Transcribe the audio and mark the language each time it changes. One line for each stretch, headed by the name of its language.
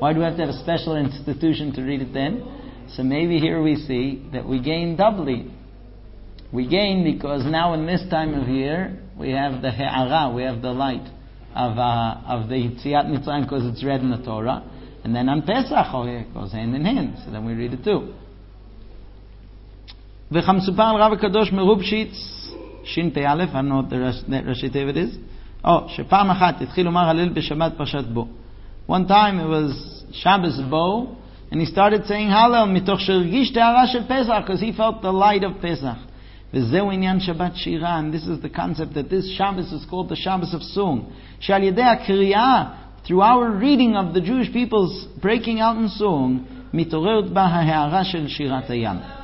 English: Why do we have to have a special institution to read it then? So maybe here we see that we gain doubly. We gain because now in this time of year we have the He'ara, we have the light of the Yetziat Mitzrayim because it's read in the Torah, and then on Pesach it goes hand in hand, so then we read it too.
Hebrew: וחמסופר על רב הקדוש מרובשיץ שין פי א',
English: I don't know what the ראשי תיבת is.
Hebrew: Oh, שפעם אחת התחיל לומר הלל בשבת פרשת בו.
English: One time it was Shabbos Bo, and he started saying
Hebrew: הלל מתוך שרגיש תארה של פסח,
English: because he felt the light of פסח.
Hebrew: וזהו עניין שבת שירה,
English: and this is the concept that this Shabbos is called the Shabbos of Song.
Hebrew: שעל ידי הקריאה,
English: through our reading of the Jewish people's breaking out in song,
Hebrew: מתעוררת בה ההארה של שירת הים.